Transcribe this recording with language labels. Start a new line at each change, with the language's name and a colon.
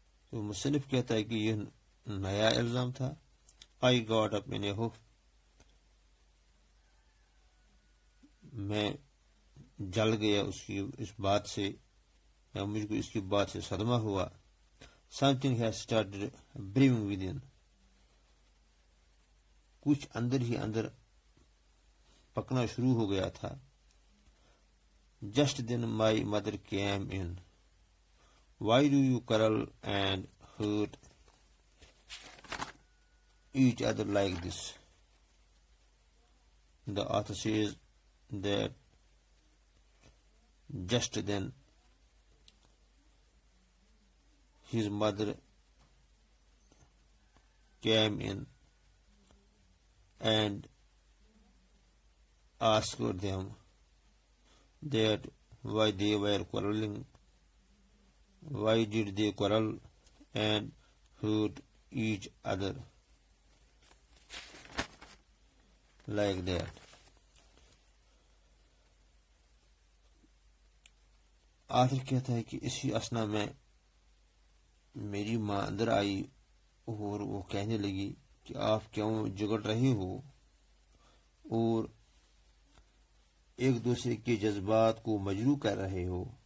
Urdu: تو مصنف کہتا ہے کہ یہ نیا الزام تھا.
English: I got up in a huff.
Urdu: میں جل گیا اس کی اس بات سے یا مجھ کو اس کی بات سے صدمہ ہوا.
English: Something has started brewing within.
Urdu: کچھ اندر ہی اندر پکنا شروع ہو گیا تھا.
English: Just then my mother came in. Why do you quarrel and hurt each other like this? The author says that just then his mother came in and asked them that why they were quarreling, why did they quarrel and hurt each other like that.
Urdu: آخر کہتا ہے کہ اسی اثنا میں میری ماں اندر آئی اور وہ کہنے لگی کہ آپ کیوں جگڑ رہے ہو اور ایک دوسرے کے جذبات کو مجروح کر رہے ہو.